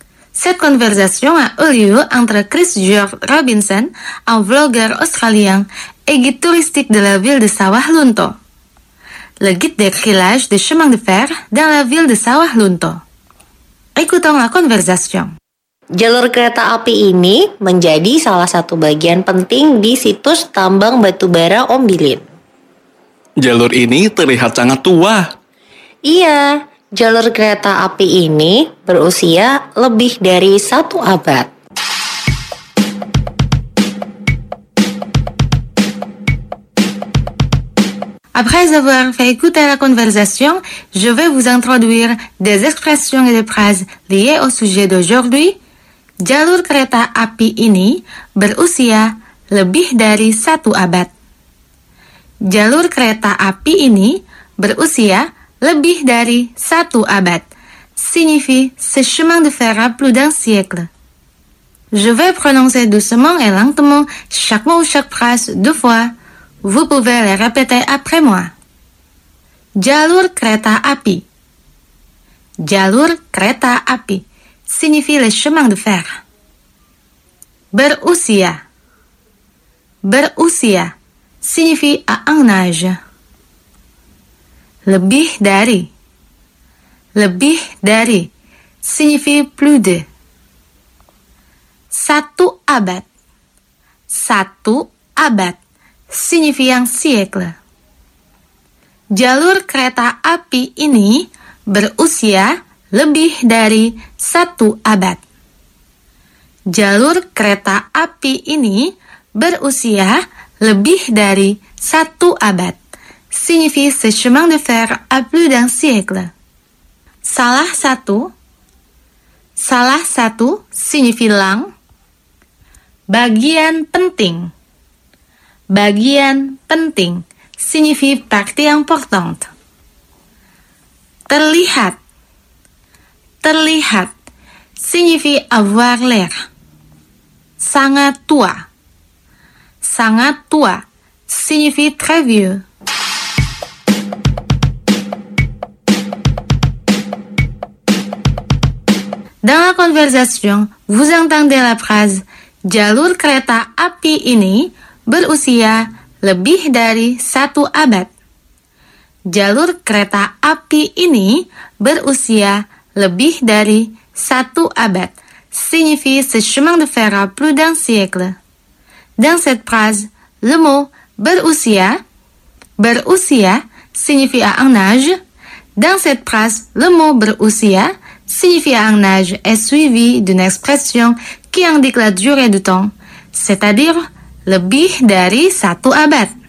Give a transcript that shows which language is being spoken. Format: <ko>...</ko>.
<fr>Cette conversation a eu lieu entre Chris George Robinson, un vlogueur australien et guide touristique de la ville de Sawah Lunto. Le guide décrit l'âge des chemins de fer dans la ville de Sawah Lunto. Écoutons la conversation.</fr> <id>Jalur kereta api ini menjadi salah satu bagian penting di situs tambang batubara Ombilin. Jalur ini terlihat sangat tua. Iya, jalur kereta api ini berusia lebih dari satu abad.</id> <fr>Après avoir fait écouter la conversation, je vais vous introduire des expressions et des phrases liées au sujet d'aujourd'hui.</fr> <id>Jalur kereta api ini berusia lebih dari satu abad. Jalur kereta api ini berusia lebih dari satu abad.</id> <fr>Signifie ce chemin de fer a plus d'un siècle. Je vais prononcer doucement et lentement chaque mot ou chaque phrase deux fois. Vous pouvez les répéter après moi.</fr> <id>Jalur kereta api. Jalur kereta api</id> <fr>signifie le chemin de fer.</fr> <id>Berusia. Berusia</id> <fr>signifie à un âge.</fr> <id>Lebih dari. Lebih dari</id> <fr>signifie plus de.</fr> <id>Satu abad. Satu abad</id> <fr>signifie un siècle.</fr> <id>Jalur kereta api ini berusia lebih dari satu abad. Jalur kereta api ini berusia lebih dari satu abad.</id> <fr>Signifie ce chemin de fer a plus d'un siècle.</fr> <id>Salah satu. Salah satu</id> <fr>signifie lang.</fr> <id>Bagian penting. Bagian penting</id> <fr>signifie partie importante.</fr> <id>Terlihat. Terlihat</id> <fr>signifie avoir l'air.</fr> <id>Sangat tua. Sangat tua</id> <fr>signifie très vieux. Dans la conversation, vous entendez la phrase</fr> <id>jalur kereta api ini berusia lebih dari satu abad. Jalur kereta api ini berusia lebih dari satu abad.</id> <fr>Signifie ce chemin de fer a plus d'un siècle. Dans cette phrase, le mot berusia berusia signifie à un âge. Dans cette phrase, le mot berusia signifie à un âge est suivi d'une expression qui indique la durée du temps, c'est-à-dire</fr> <id>lebih dari satu abad.</id>